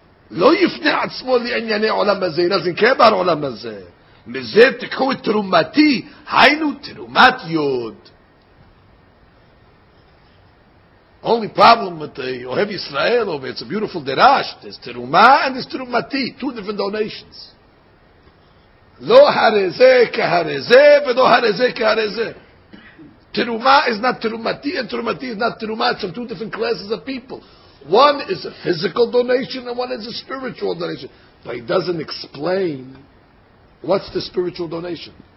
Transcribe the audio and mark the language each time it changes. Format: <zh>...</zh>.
<he>לא יפנה עצמו לענייני עולם הזה, אלא זה כבר עולם הזה. מזה תקחו את תרומתי, היינו תרומת יוד.</he> <en>Only problem with the אוהב ישראל, or it's a beautiful derash, there's תרומה and there's תרומתי, two different donations.</en> <he>לא הרזה כהרזה, ולא הרזה כהרזה.</he> <en>תרומה is not תרומתי, and תרומתי is not תרומה, it's from two different classes of people. One is a physical donation and one is a spiritual donation. But he doesn't explain what's the spiritual donation.</en>